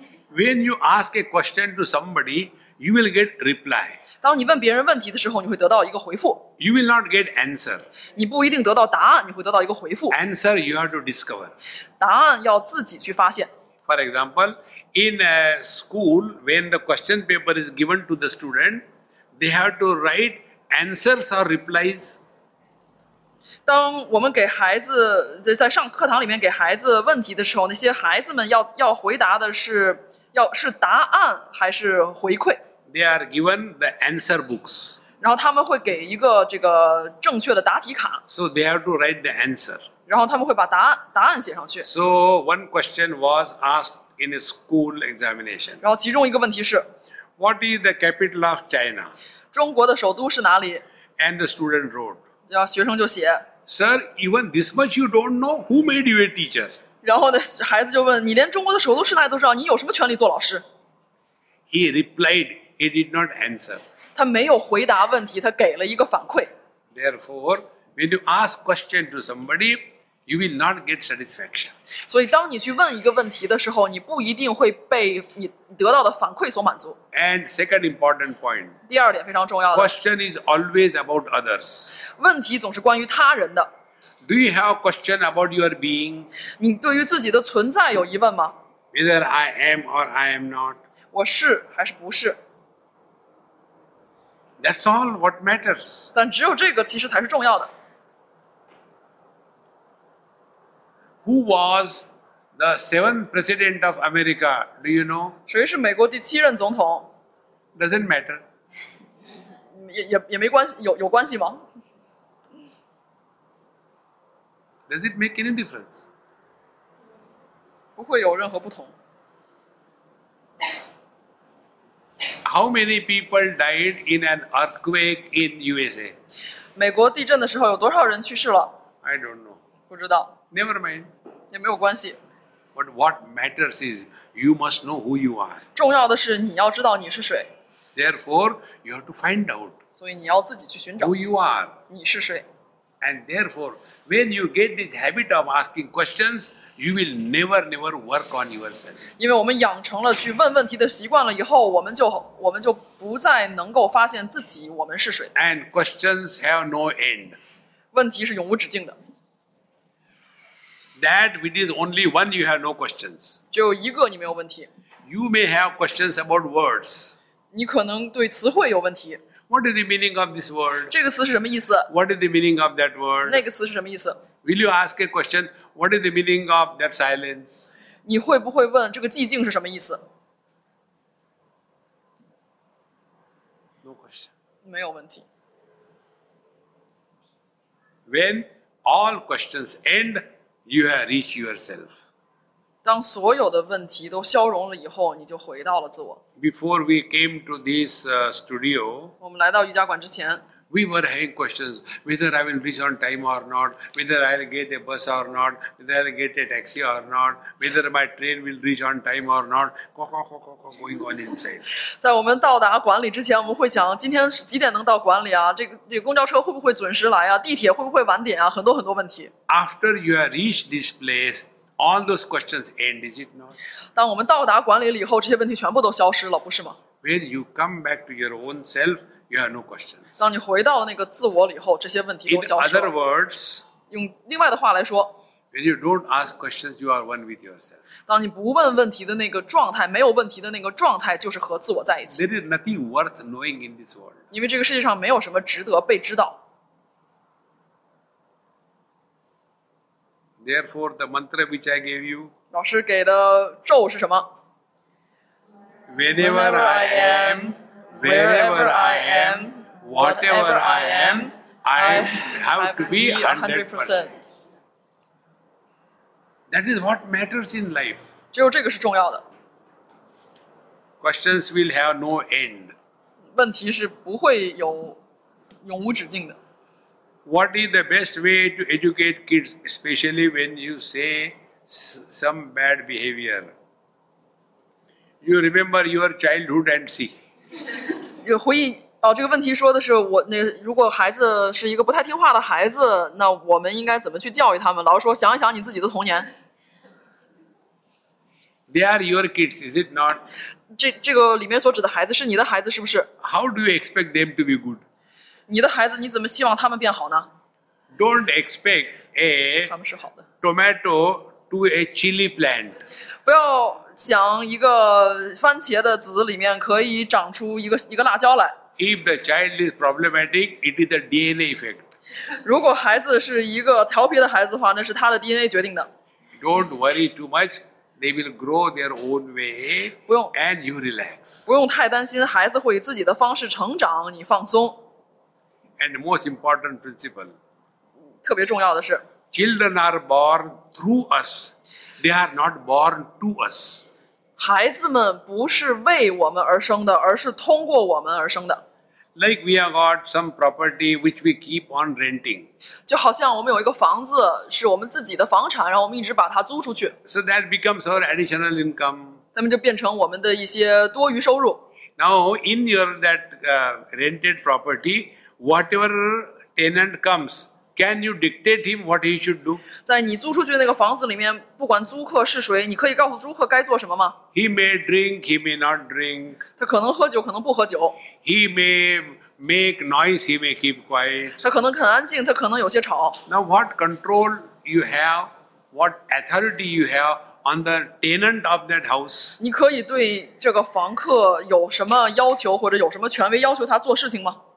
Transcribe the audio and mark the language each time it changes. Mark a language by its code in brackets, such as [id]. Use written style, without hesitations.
[en] When you ask a question to somebody, you will get reply. [zh] 当你问别人问题的时候，你会得到一个回复。 [en] You will not get answer. [zh] 你不一定得到答案，你会得到一个回复。 [en] Answer you have to discover. [zh] 答案要自己去发现。 [en] For example, in a school, when the question paper is given to the student, they have to write answers or replies. [zh] 当我们给孩子在上课堂里面给孩子问题的时候，那些孩子们 要回答的是要是答案还是回馈。 [en] They are given the answer books. [zh] 然后他们会给一个这个正确的答题卡。 [en] So they have to write the answer. [zh] 然后他们会把答案写上去。 [en] So one question was asked in a school examination. [zh] 然后其中一个问题是 [en] What is the capital of China? [zh] 中国的首都是哪里？ [en] And the student wrote. [zh] 然后学生就写 [en] Sir, even this much you don't know, who made you a teacher? [zh] 然后孩子就问你连中国的首都是哪里都知道你有什么权利做老师 [en] He replied, he did not answer. [zh] 他没有回答问题他给了一个反馈 [en] Therefore, when you ask question to somebody, you will not get satisfaction. [zh] 所以当你去问一个问题的时候你不一定会被你得到的反馈所满足 [en] And second important point. [zh] 第二点非常重要的 [en] Question is always about others. [zh] 问题总是关于他人的。 [en] Do you have a question about your being? [zh] 你对于自己的存在有疑问吗？ [en] Whether I am or I am not. [zh] 我是还是不是？ [en] That's all what matters. [zh] 但只有这个其实才是重要的。 [en] Who was the seventh president of America? Do you know? [zh] 谁是美国第七任总统？ [en] Doesn't matter. [zh] 也没关系，有关系吗？ [en] Does it make any difference? [zh] 不会有任何不同。 [en] How many people died in an earthquake in USA? [zh] 美国地震的时候有多少人去世了? [en] I don't know. [zh] 不知道。 [en] Never mind. [zh] 也没有关系。 [en] But what matters is you must know who you are. [zh] 重要的是你要知道你是谁。 [en] Therefore, you have to find out. [zh] 所以你要自己去寻找。 [en] Who you are. [zh] 你是谁。 [en] And therefore, when you get this habit of asking questions, you will never work on yourself. [zh] 因为我们养成了去问问题的习惯了以后，我们就不再能够发现自己我们是谁。 [en] And questions have no end. [zh] 问题是永无止境的。 [en] That which is only one, you have no questions. [zh] 只有一个你没有问题。 [en] You may have questions about words. [zh] 你可能对词汇有问题。 [en] What is the meaning of this word? [zh] 这个词是什么意思? [en] What is the meaning of that word? [zh] 那个词是什么意思? [en] Will you ask a question? What is the meaning of that silence? [zh] 你会不会问这个寂静是什么意思? [en] No question. [zh] 没有问题。 [en] When all questions end, you have reached yourself. [zh] 当所有的问题都消融了以后，你就回到了自我。 [en] Before we came to this studio, [zh] 我们来到瑜伽馆之前 [en] we were having questions whether I will reach on time or not, whether I'll get a bus or not, whether I'll get a taxi or not, whether my train will reach on time or not, going on inside. [zh] 在我们到达馆里之前，我们会想今天几点能到馆里啊？这个公交车会不会准时来啊？地铁会不会晚点啊？很多很多问题。 [en] After you have reached this place, all those questions end, is it not? [zh] 当我们到达管理了以后，这些问题全部都消失了，不是吗？ [en] When you come back to your own self, you have no questions. [zh] 当你回到了那个自我以后，这些问题都消失了。 [en] In other words, [zh] 用另外的话来说， [en] When you don't ask questions, you are one with yourself. [zh] 当你不问问题的那个状态，没有问题的那个状态，就是和自我在一起。 [en] There is nothing worth knowing in this world. [zh] 因为这个世界上没有什么值得被知道。 [en] Therefore, the mantra which I gave you. [zh] 老师给的咒是什么？ [en] Whenever I am, wherever I am, whatever I am, I have to be 100%. That is what matters in life. [zh] 只有这个是重要的。 [en] Questions will have no end. [zh] 问题是不会有永无止境的。 [en] What is the best way to educate kids, especially when you say some bad behavior? You remember your childhood and see. [zh] 回忆哦，这个问题说的是我那如果孩子是一个不太听话的孩子，那我们应该怎么去教育他们？老师说，想一想你自己的童年。 [en] They are your kids, is it not? [zh] 这个里面所指的孩子是你的孩子，是不是 [en] ？How do you expect them to be good? [zh] 你的孩子你怎么希望他们变好呢 [en] ？Don't expect a tomato to a chili plant. [zh] 不要想一个番茄的籽里面可以长出一个辣椒来。 [en] If the child is problematic, it is the DNA effect. [zh] 如果孩子是一个调皮的孩子的话，那是他的 DNA 决定的。 [en] Don't worry too much. They will grow their own way. [zh] 不用 [en] ，and you relax. [zh] 不用太担心，孩子会以自己的方式成长，你放松。 [en] And the most important principle. [zh] 特别重要的是 [en] ，Children are born through us. They are not born to us. [zh] 孩子们不是为我们而生的，而是通过我们而生的。 [en] Like we have got some property which we keep on renting. [zh] 就好像我们有一个房子是我们自己的房产，然后我们一直把它租出去。 [en] So that becomes our additional income. [zh] 那么就变成我们的一些多余收入。 [en] Now in your that rented property, whatever tenant comes, can you dictate him what he should do? [zh] 在你租出去那个房子里面，不管租客是谁，你可以告诉租客该做什么吗？ [en] He may drink, he may not drink. [zh] 他可能喝酒，可能不喝酒。 [en] He may make noise, he may keep quiet. [zh] 他可能很安静，他可能有些吵。 [en] Now what control you have, what authority you have on the tenant of that house? [zh] 你可以对这个房客有什么要求，或者有什么权威要求他做事情吗？